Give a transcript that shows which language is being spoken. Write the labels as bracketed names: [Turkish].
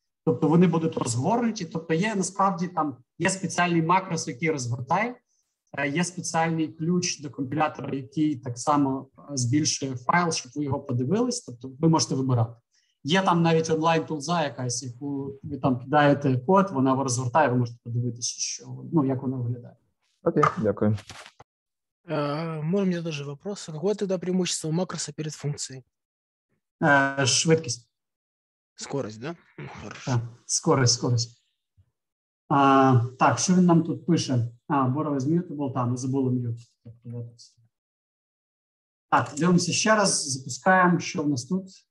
[Ukrainian] Тобто вони будуть розгорнуті, тобто є насправді там є спеціальний макрос, який розгортає, є спеціальний ключ до компілятора, який так само збільшує файл, щоб ви його подивились, тобто ви можете вибирати. Є там навіть онлайн-тулза якась, яку ви там кидаєте код, вона його розгортає, ви можете подивитися, що, ну, як воно виглядає. Окей, дякую. Може, у мене теж вопрос. [Russian] Какое тогда преимущество макроса перед функцией? [Ukrainian] Швидкість. [Russian] Скорость, да? [Ukrainian] Скорость. Так, що він нам тут пише? [English] Borrow is mutable, [Ukrainian] там, ми забули mute. Так, дивимося ще раз, запускаємо, що в нас тут.